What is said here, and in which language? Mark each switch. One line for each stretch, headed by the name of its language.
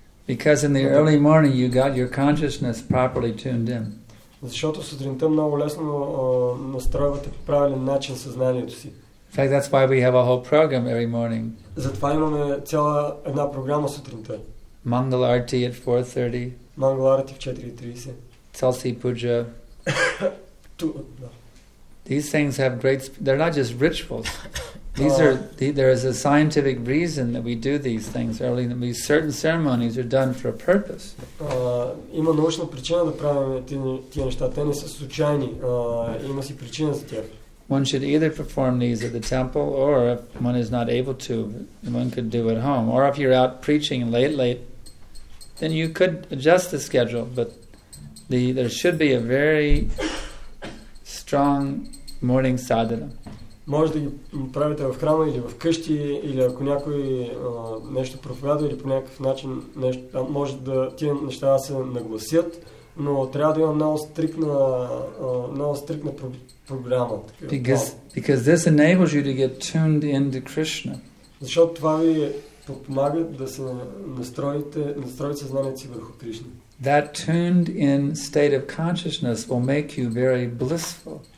English: Because in the early morning you got your consciousness properly tuned in.
Bulgarian: Защото сутринта много лесно настройвате по правилен начин съзнанието си.
English: In fact, that's why we have a whole program every morning.
Bulgarian: Затова имаме цяла една програма сутринта.
English: Mangal Arati at 4:30.
Bulgarian: Mangal Arati в 4:30.
English: Tulsi Puja. Two. These things have great. They're not just rituals. There is a scientific reason that we do these things early. These certain ceremonies are done for a purpose.
Bulgarian: Има научна причина да правим тия неща. Те не са случайни. Има си причина за тях.
English: One should either perform these at the temple, or if one is not able to, one could do at home. Or if you're out preaching late, then you could adjust the schedule. But there should be a very strong morning sadhana.
Bulgarian: Може да ги правите в храма или в къщи, или ако някой нещо проповядва или по някакъв начин нещо, може да тия неща се нагласят, но трябва да има много стриктна програма.
English: Because this enables you to get tuned into Krishna.
Bulgarian: Защото това ви помага да се настроите съзнанието си върху Кришна.
English: That tuned in state of consciousness will make you very blissful.